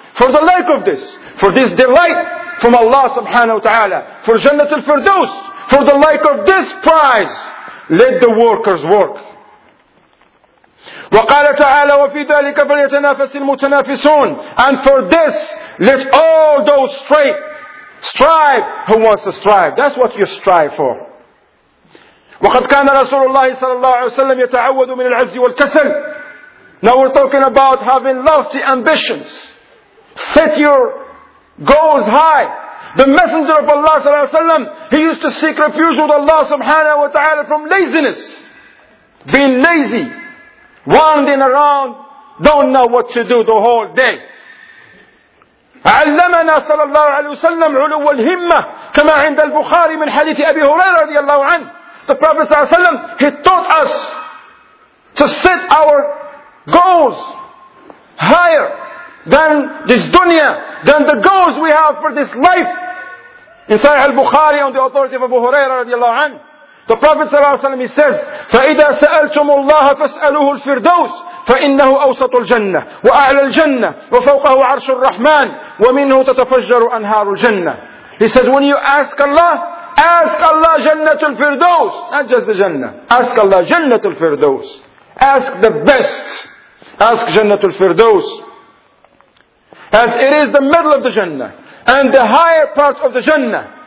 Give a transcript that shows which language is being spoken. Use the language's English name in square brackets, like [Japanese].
[English] For the like of this, for this delight from Allah subhanahu wa ta'ala, for Jannat al-Firdaus, for the like of this prize, let the workers work. [Arabic] وَقَالَ تَعَالَى وَفِي ذَلِكَ فَلْيَتَنَافَسِ الْمُتَنَافِسُونَ. [English] And for this, let all those strive who wants to strive. That's what you strive for. [Arabic] وَقَدْ كَانَ رَسُولُ اللَّهِ صَلَى اللَّهُ عَلَيْهِ وَسَلَّمْ يَتَعَوَّدُ مِنَ الْعَزِّ وَالْكَسَلِ. [English] Now we're talking about having lofty ambitions. Set your goals high. The Messenger of Allah sallallahu alayhi wa sallam, he used to seek refuge with Allah subhanahu wa ta'ala from laziness. Being lazy, wandering around, don't know what to do the whole day. [Arabic] علمنا صلى الله عليه وسلم علو الهمة كما عند البخاري من حديث أبي هريرة رضي الله عنه. [English] The Prophet [Arabic] صلى الله عليه وسلم, [English] he taught us to set our goals higher than this dunya, than the goals we have for this life. In Sahih al-Bukhari, on the authority of Abu Huraira [Arabic] رضي الله عنه, [English] the Prophet [Arabic] صلى الله عليه وسلم, [English] he says, [Arabic] فَإِذَا سَأَلْتُمُ اللَّهَ فَاسْأَلُوهُ الْفِرْدَوْسِ فإنه أوسط الجنة وأعلى الجنة وفوقه عرش الرحمن ومنه تتفجر أنهار الجنة. [English] He says, when you ask Allah [Arabic] جنة الفردوس, [English] not just the جنة, ask Allah جنة الفردوس, ask the best, ask جنة الفردوس, as it is the middle of the جنة and the higher part of the جنة.